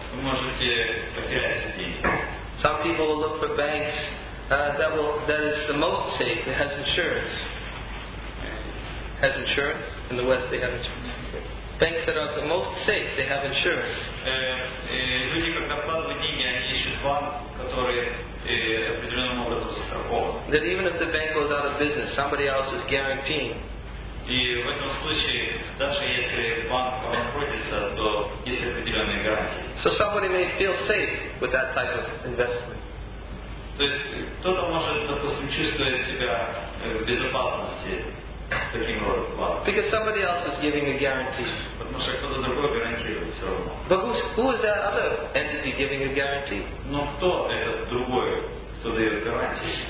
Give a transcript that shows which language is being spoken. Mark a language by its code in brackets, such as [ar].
[ru] Вы можете потерять все деньги. [en] Some people will look for banks that is the most safe, that has insurance. Has insurance? In the West they have insurance. Banks that are the most safe, they have insurance. [ru] Люди, когда вкладывают деньги, они ищут банк, который определенным образом застрахован. [en] That even if the bank goes out of business, somebody else is guaranteeing. [ru] И в этом случае, даже если банк обанкротится, то есть определенные гарантии. [en] So somebody may feel safe with that type of investment. [ru] То есть кто-то может, допустим, чувствовать себя в безопасности таким образом. [en] Because somebody else is giving a guarantee. [ru] Потому что кто-то другой гарантирует все равно. [en] But who is that other entity giving a guarantee? [ru] Но кто этот другой, кто дает гарантии?